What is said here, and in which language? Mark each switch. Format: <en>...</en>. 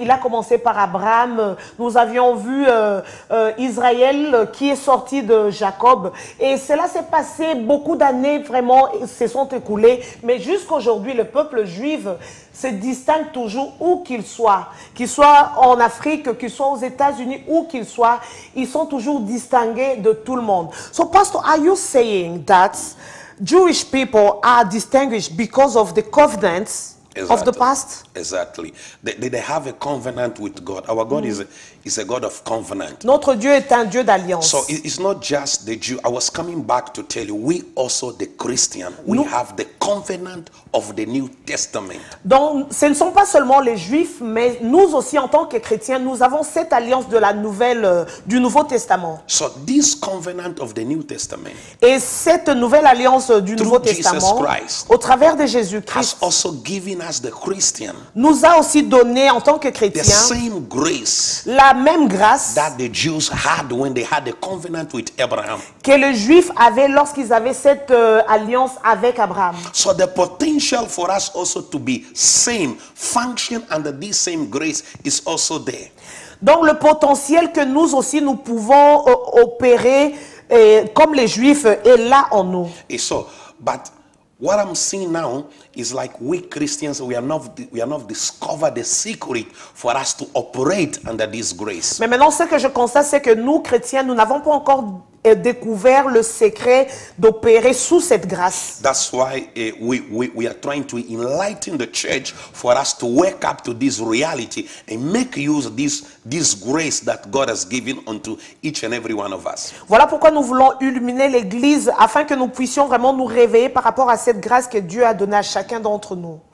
<fr>Il a commencé par Abraham. Nous avions vu Israël qui est sorti de Jacob. Et cela s'est passé beaucoup d'années, vraiment, se sont écoulées. Mais jusqu'aujourd'hui, le peuple juif se distingue toujours où qu'il soit en Afrique, qu'il soit aux États-Unis, où qu'il soit, ils sont toujours distingués de tout le monde.</fr> <en>So, Pastor, are you saying that Jewish people are distinguished because of the covenants exactly. of the past? Exactly. They have a covenant with God. Our God is a God of covenant.</en> <fr>Notre Dieu est un Dieu d'alliance.</fr> <en>So it's not just the Jew. I was coming back to tell you, we also the Christian, we have the covenant of the New Testament.</en> <fr>Donc, ce ne sont pas seulement les Juifs, mais nous aussi en tant que chrétiens, nous avons cette alliance de la nouvelle du Nouveau Testament.</fr> <en>So this covenant of the New Testament.</en> <fr>Et cette nouvelle alliance du Nouveau Testament,</fr> <en>Jesus Christ,</en> <fr>au travers de Jésus-Christ,</fr> <en>has also given us the Christian.</en> <fr>Nous a aussi donné en tant que chrétiens la même grâce</fr> <en>that the Jews had when they had a covenant with Abraham.</en> <fr>Que les Juifs avaient lorsqu'ils avaient cette alliance avec Abraham.</fr> <en>So the potential for us also to be same, function under this same grace is also there.</en> <fr>Donc le potentiel que nous aussi nous pouvons opérer comme les Juifs est là en nous.</fr> <en>Et so, but what I'm seeing now is like we Christians, we are not discovered the secret for us to operate under this grace.</en> <fr>Mais maintenant, ce que je constate, c'est que nous, chrétiens, nous n'avons pas encore découvert le secret d'opérer sous cette grâce.</fr> <en>That's why we are trying to enlighten the church for us to wake up to this reality and make use of this grace that God has given unto each and every one of us.</en> <fr>Voilà pourquoi nous voulons illuminer l'église afin que nous puissions vraiment nous réveiller par rapport à cette grâce que Dieu a donnée à chacun d'entre nous.</fr>